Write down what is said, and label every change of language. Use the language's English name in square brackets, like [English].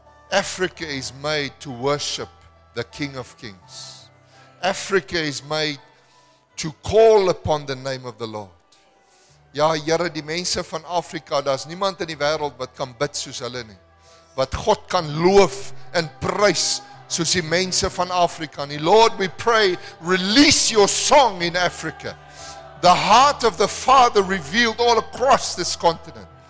[English] Africa is made to worship the King of Kings. Africa is made to call upon the name of the Lord. [Afrikaans] Ja, Here, die mense van Afrika, daar's niemand in die wêreld wat kan bid soos hulle nie. Wat God kan loof en prys soos die mense van Afrika nie. [English] Lord, we pray, release your song in Africa. The heart of the Father revealed all across this continent.